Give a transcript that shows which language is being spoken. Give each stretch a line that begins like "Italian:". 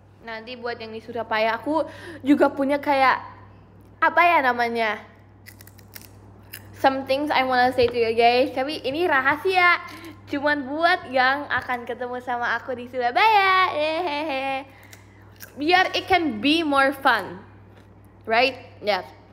Indonesian: Nanti buat yang di Surabaya, aku juga punya kayak apa ya namanya?
English: Some things I wanna say to you guys.
Indonesian: Tapi ini rahasia. Cuman buat yang akan ketemu sama aku di Surabaya.
English: Hehehe. Biar it can be more fun. Right? Yes.